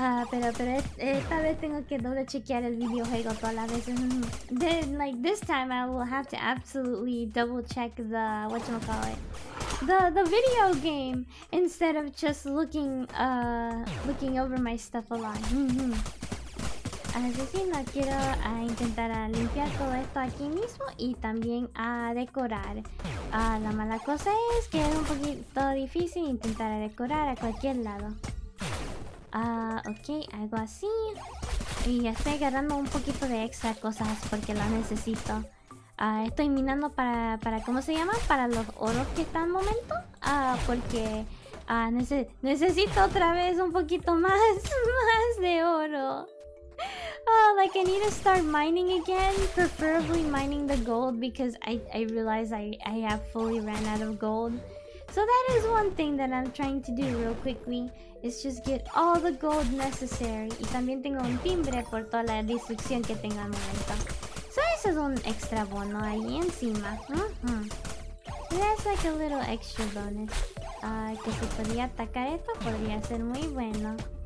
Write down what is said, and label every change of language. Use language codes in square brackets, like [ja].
[es] pero esta vez tengo que doble chequear el videojuego todas las veces. [en] Then like this time I will have to absolutely double check the whatchamacallit, the video game instead of just looking over my stuff a lot. [es] Así que no quiero intentar limpiar todo esto aquí mismo y también a decorar. La mala cosa es que es un poquito difícil intentar decorar a cualquier lado. Ok, algo así. Y ya estoy agarrando un poquito de extra cosas porque las necesito. Estoy minando para ¿cómo se llama? Para los oros que están al momento. Porque necesito otra vez un poquito más de oro. [en] Oh, like I need to start mining again. Preferably mining the gold because I realize I have fully ran out of gold. So that is one thing that I'm trying to do real quickly. Is just get all the gold necessary. [es] Y también tengo un timbre por toda la destrucción que tengo al momento. So eso es un extra bono ahí encima. Mm-hmm. [en] That's like a little extra bonus. [es] Que si podía atacar esto podría ser muy bueno.